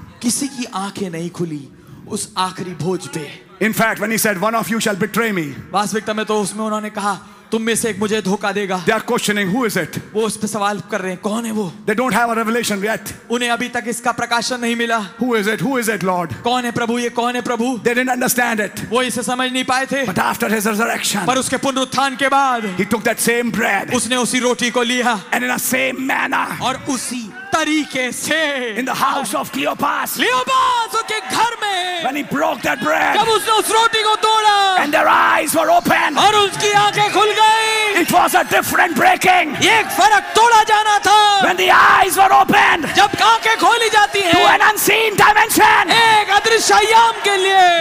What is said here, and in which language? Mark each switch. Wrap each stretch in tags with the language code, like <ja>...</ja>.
<hi>किसी की आंखें नहीं खुली उस आखिरी भोज पे.</hi> <en>In fact, when he said, "One of you shall betray me,"</en> <hi>वास्तविकता में तो उसमें उन्होंने कहा, तुम में से एक मुझे धोखा देगा.</hi> <en>They are questioning, who is it?</en> <hi>वो उस पे सवाल कर रहे हैं, कौन है वो?</hi> <en>They don't have a revelation yet.</en> <hi>उन्हें अभी तक इसका प्रकाशन नहीं मिला.</hi> <en>Who is it? Who is it, Lord?</en> <hi>कौन है प्रभु? ये कौन है प्रभु?</hi> <en>They didn't understand it.</en> <hi>वो इसे समझ नहीं पाए थे.</hi> <en>But after his resurrection,</en> <hi>पर उसके पुनरुत्थान के बाद,</hi> <en>he took that same bread.</en> <hi>उसने उसी रोटी को लिया.</hi> <en>And in the same manner,</en> <hi>और उसी तरीके से,</hi> <en>in the house of Cleopas,</en> <hi>Cleopas उसके घर में,</hi> <en>when he broke that bread,</en> <hi>जब उसने उस रोटी को तोड़ा,</hi> <en>and their eyes were opened,</en> <hi>और उसकी आंखें खुल गई,</hi> <en>it was a different breaking,</en> <hi>एक फर्क तोड़ा जाना था,</hi> <en>when the eyes were opened,</en> <hi>जब आंखें खोली जाती हैं,</hi> <en>to an unseen dimension,</en> <hi>एक अदृश्य आयाम के लिए,</hi>